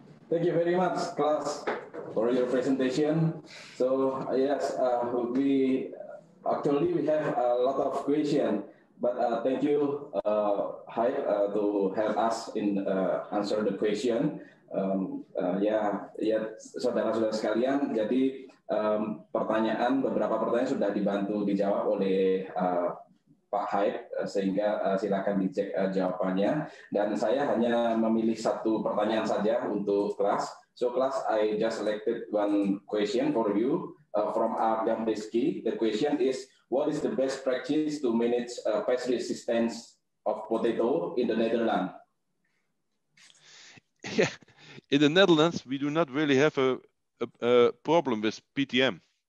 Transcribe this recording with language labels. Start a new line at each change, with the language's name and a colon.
English: Thank you very much, Klaus, for your presentation. So yes, we actually we have a lot of questions, but thank you, Hai, to help us in answer the question.
Indonesian: Ya, saudara-saudara sekalian, jadi beberapa pertanyaan sudah dibantu dijawab oleh Pak Haid, sehingga silakan dicek jawabannya. Dan saya hanya memilih satu pertanyaan saja untuk kelas.
English: So kelas, I just selected one question for you from Adam Deski. The question is, what is the best practice to manage pest resistance of potato in the Netherlands? Yeah. In the Netherlands, we do not really have a problem with PTM.